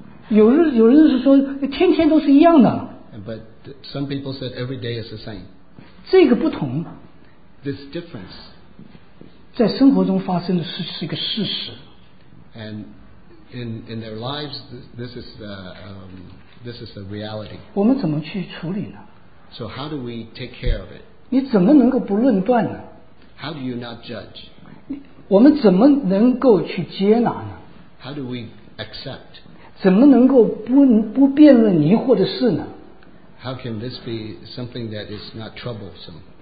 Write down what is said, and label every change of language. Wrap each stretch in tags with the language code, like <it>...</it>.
<zh>有人是说天天都是一样的。</zh> <en>But some people said every day is the same.</en> <zh>这个不同。</zh> <en>This difference.</en> <zh>在生活中发生的是一个事实。</zh> <en>And in their lives, this is the This is the reality.</en> <zh>我们怎么去处理呢？</zh> <en>So how do we take care of it?</en> <zh>你怎么能够不论断呢？</zh> <en>How do you not judge?</en> <zh>我们怎么能够去接纳呢？</zh> <en>How do we accept?</en> <zh>怎么能够不辩论疑惑的事呢？</zh> <en>How can this be something that is not troublesome?</en>